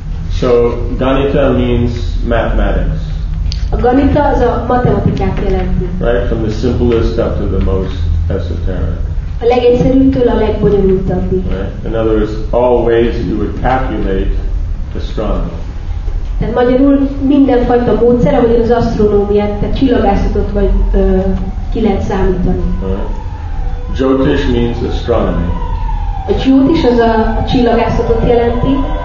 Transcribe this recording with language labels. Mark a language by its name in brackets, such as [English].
[English] So Ganita means mathematics. [Hungarian] A ganita az a matematikát jelenti. [English] Right, from the simplest up to the most esoteric. [Hungarian] A legegyszerűbbtől a legbonyolultabbig. [English] Right. In other words, all ways you would calculate astronomy. [Hungarian] Tehát magyarul mindenfajta módszer, ahogy az asztronómiát, tehát csillagászatot vagy ki lehet számítani. [English] Right. Jyotish means astronomy. [Hungarian] A Jyotish az a csillagászatot jelenti.